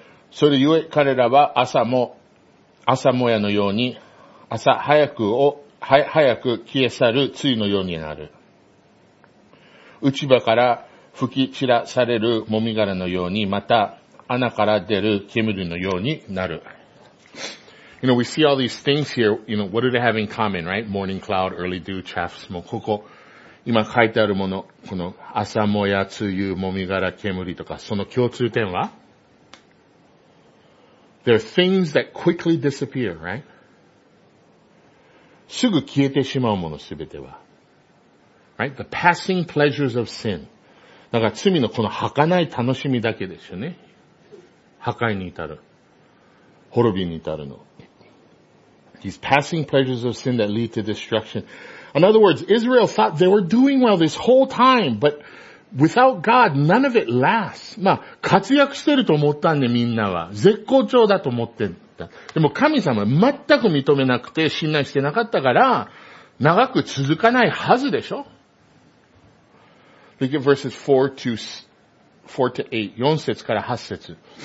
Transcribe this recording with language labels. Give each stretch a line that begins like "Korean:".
Japanese: それゆえ彼らは朝もやのように、朝早くを、早く消え去る露のようになる。内場から吹き散らされるもみ殻のように、また穴から出る煙のようになる。
English: You know, we see all these things here. You know, what do they have in common, right? Morning cloud, early dew, chaff, smoke,
Japanese: ここ。今書いてあるもの、この朝もや、梅雨、もみ殻、煙とか、その共通点は
English: There are things that quickly disappear, right?
Japanese: すぐ消えてしまうもの、すべては。
English: Right? The passing pleasures of sin.
Japanese: だから罪のこの儚い楽しみだけですよね。破壊に至る。滅びに至るの。
English: These passing pleasures of sin that lead to destruction. In other words, Israel thought they were doing well this whole time, but without God, none of it lasts.
Japanese: まあ、活躍してると思ったんで、みんなは。絶好調だと思ってた。でも神様は全く認めなくて、信頼してなかったから、長く続かないはずでしょ
English: ?Look at verses 4 to 8.
Japanese: 4節から8節。